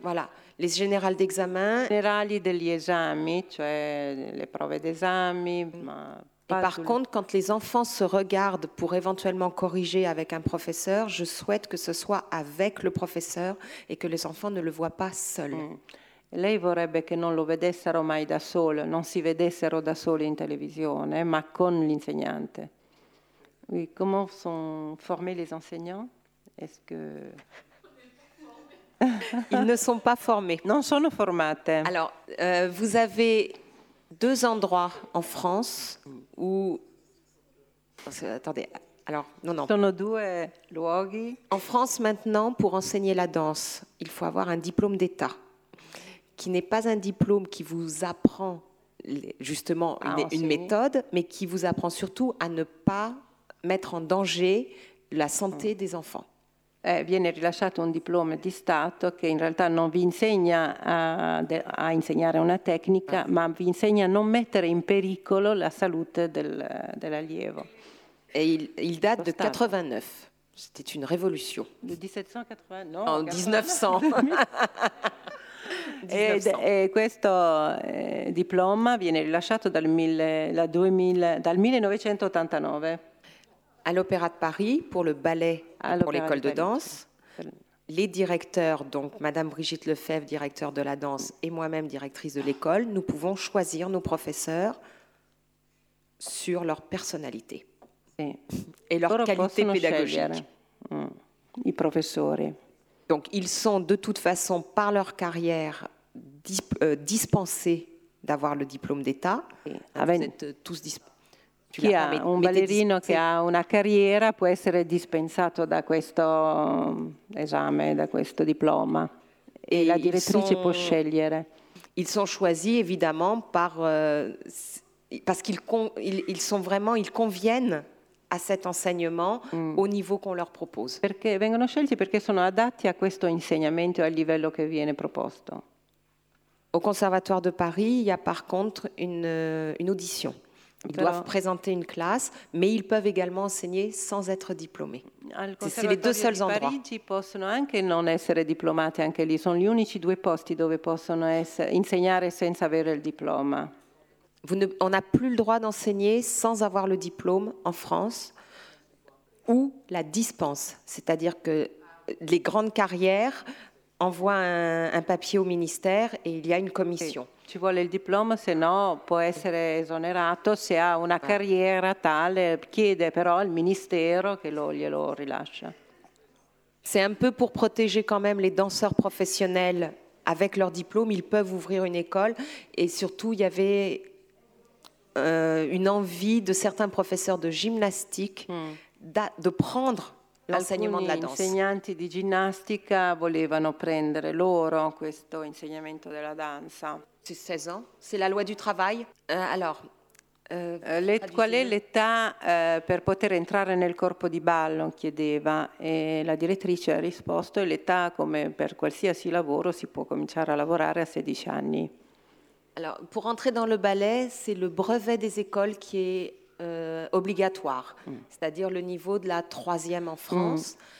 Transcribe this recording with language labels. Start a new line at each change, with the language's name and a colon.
French: Voilà, les générales d'examen.
Italian: Générales degli esami, cioè les prove d'esami.
French: Et par contre, quand les enfants se regardent pour éventuellement corriger avec un professeur, je souhaite que ce soit avec le professeur et que les enfants ne le voient pas seuls.
Italian: Lei vorrebbe che non lo vedessero mai da solo, non si vedessero da soli in televisione, ma con l'insegnante.
French: Oui, comment sont formés les enseignants? Est-ce que ils ne sont pas formés?
Italian: Non, sono formate.
French: Alors, vous avez deux endroits en France où attendez. Alors, non.
Italian: Sono due luoghi.
French: En France maintenant, pour enseigner la danse, il faut avoir un diplôme d'État, qui n'est pas un diplôme qui vous apprend justement une méthode, mais qui vous apprend surtout à ne pas mettre en danger la santé des enfants.
Italian: Viene rilasciato un diploma di Stato che in realtà non vi insegna a insegnare una tecnica, ma vi insegna a non mettere in pericolo la salute dell'allievo.
French: Et il date de 89. C'était une révolution. De 1789. Non, en 1900. 1900.
Italian: E questo diploma viene rilasciato dal 1989.
French: À l'Opéra de Paris, pour le ballet et pour l'école de danse. Les directeurs, donc Madame Brigitte Lefebvre, directeur de la danse, et moi-même, directrice de l'école, nous pouvons choisir nos professeurs sur leur personnalité.
Italian: Sì. E loro leur qualità pedagogica. I professori.
French: Donc ils sont de toute façon par leur carrière dispensés d'avoir le diplôme d'État. Vous êtes tous
Italian: chi ha un ballerino che ha una carriera può essere dispensato da questo esame, da questo diploma. Et la direttrice può scegliere.
French: Ils sont choisis évidemment par parce qu'ils sont vraiment ils conviennent à cet enseignement au niveau qu'on leur propose.
Italian: Perché vengono scelti perché sono adatti a questo insegnamento al livello che viene proposto.
French: Au conservatoire de Paris, il y a par contre une audition. Ils doivent présenter une classe, mais ils peuvent également enseigner sans être diplômés. C'est les deux seuls endroits.
Italian: Al conservatorio di Parigi possono anche non essere diplomati anche lì, sono gli unici due posti dove possono insegnare senza avere il diploma.
French: On n'a plus le droit d'enseigner sans avoir le diplôme en France ou la dispense, c'est-à-dire que les grandes carrières envoient un papier au ministère et il y a une commission.
Italian: Ci vuole il diploma, se no può essere esonerato, se ha una carriera tale, chiede però al ministero che glielo rilascia.
French: C'est un peu pour protéger quand même les danseurs professionnels avec leur diplôme, ils peuvent ouvrir une école et surtout il y avait une envie de certains professeurs de gymnastique de prendre
Italian: l'insegnamento della danza. Alcuni insegnanti di ginnastica volevano prendere loro questo insegnamento della danza.
French: C'est 16 ans, c'est la loi du travail. Alors,
Italian: qual è l'età per poter entrare nel corpo di ballo, chiedeva, e la direttrice ha risposto, è l'età come per qualsiasi lavoro, si può cominciare a lavorare a 16 anni.
French: Alors, pour entrer dans le ballet, c'est le brevet des écoles qui est obligatoire, c'est-à-dire le niveau de la troisième en France.